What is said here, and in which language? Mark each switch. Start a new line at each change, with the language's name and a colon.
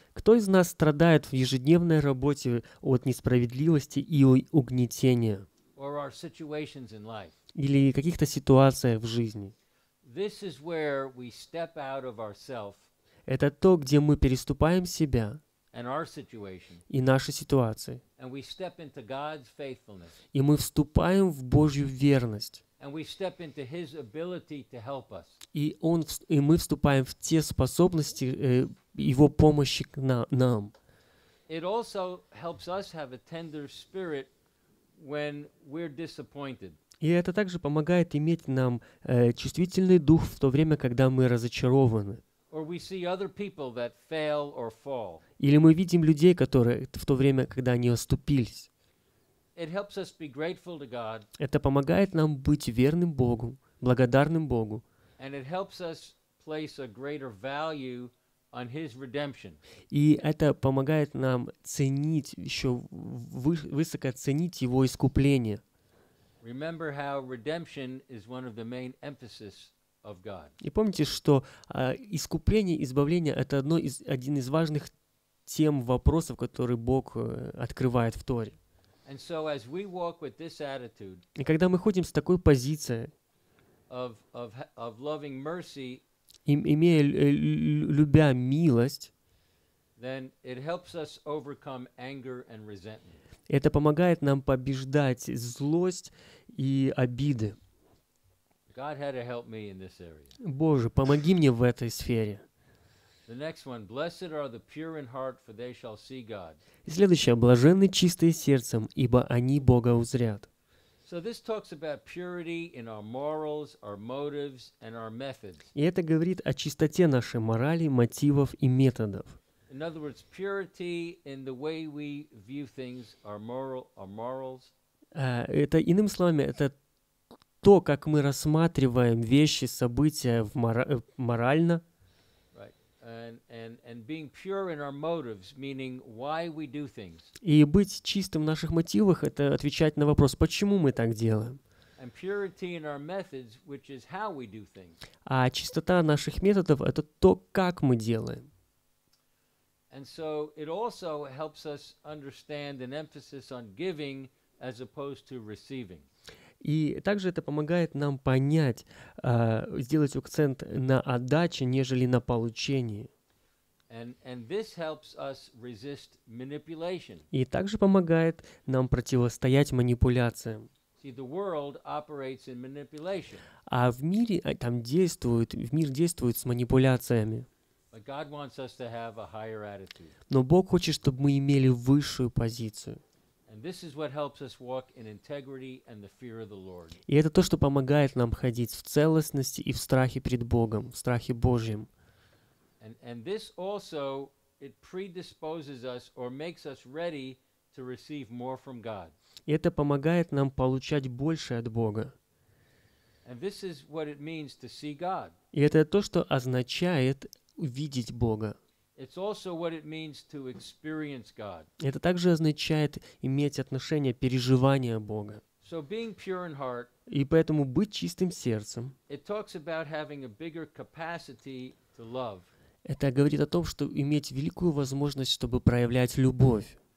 Russian: Кто из нас страдает в ежедневной работе от несправедливости и угнетения?
English: Or our situations in life?
Russian: Или каких-то ситуациях в жизни?
English: This is where we step out of ourselves.
Russian: Это то, где мы переступаем себя
English: and our situation.
Russian: И наши ситуации.
English: And we step into God's faithfulness.
Russian: И мы вступаем в Божью верность.
English: And we step into his ability to help us.
Russian: И мы вступаем в те способности его помощи нам.
English: It also helps us have a tender spirit when we're disappointed.
Russian: И это также помогает иметь нам чувствительный дух в то время, когда мы разочарованы.
English: Or we see other people that fail or fall.
Russian: Или мы видим людей, которые в то время, когда они оступились.
English: It helps us be grateful to God.
Russian: Это помогает нам быть верным Богу, благодарным Богу.
English: And it helps us place a greater value on his redemption.
Russian: И это помогает нам ценить еще высоко ценить его искупление.
English: Remember how redemption is one of the main emphases of God.
Russian: И помните, что искупление, избавление — это один из важных тем вопросов, которые Бог открывает в Торе.
English: And so as we walk with this attitude,
Russian: и когда мы ходим с такой позицией,
English: of loving mercy,
Russian: имея любя милость,
English: then it helps us overcome anger and resentment.
Russian: Это помогает нам побеждать злость и обиды.
English: God had to help me in this area.
Russian: Боже, помоги мне в этой сфере.
English: The next one, blessed are the pure in heart, for they shall see God.
Russian: Следующее, блаженны чистые сердцем, ибо они Бога узрят.
English: So this talks about purity in our morals, our motives, and our methods.
Russian: И это говорит о чистоте нашей морали, мотивов и методов.
English: In other words, purity in the way we view things, our morals.
Russian: Это иными словами, это то, как мы рассматриваем вещи, события в морально.
English: And being pure in our motives, meaning why we do things.
Russian: И быть чистым в наших мотивах — это отвечать на вопрос, почему мы так делаем.
English: And purity in our methods, which is how we do things.
Russian: А чистота наших методов — это то, как мы делаем.
English: And so it also helps us understand an emphasis on giving as opposed to receiving.
Russian: И также это помогает нам понять, сделать акцент на отдаче, нежели на получении.
English: And this helps us resist manipulation.
Russian: И также помогает нам противостоять манипуляциям.
English: See, the world operates in manipulation.
Russian: А в мире там действует, в мир действует с манипуляциями.
English: But God wants us to have a higher attitude.
Russian: Но Бог хочет, чтобы мы имели высшую позицию.
English: And this is what helps us walk in integrity and the fear of the Lord.
Russian: И это то, что помогает нам ходить в целостности и в страхе пред Богом, в страхе Божьем.
English: And this also it predisposes us or makes us ready to receive more from God.
Russian: И это помогает нам получать больше от Бога.
English: And this is what it means to see God.
Russian: И это то, что означает увидеть Бога.
English: It's also what it means to experience God.
Russian: Это также означает иметь отношение, переживание Бога.
English: So being pure in heart,
Russian: и поэтому быть чистым сердцем,
English: it talks about having a bigger capacity to love.
Russian: Это говорит о том, что иметь великую возможность, чтобы проявлять любовь.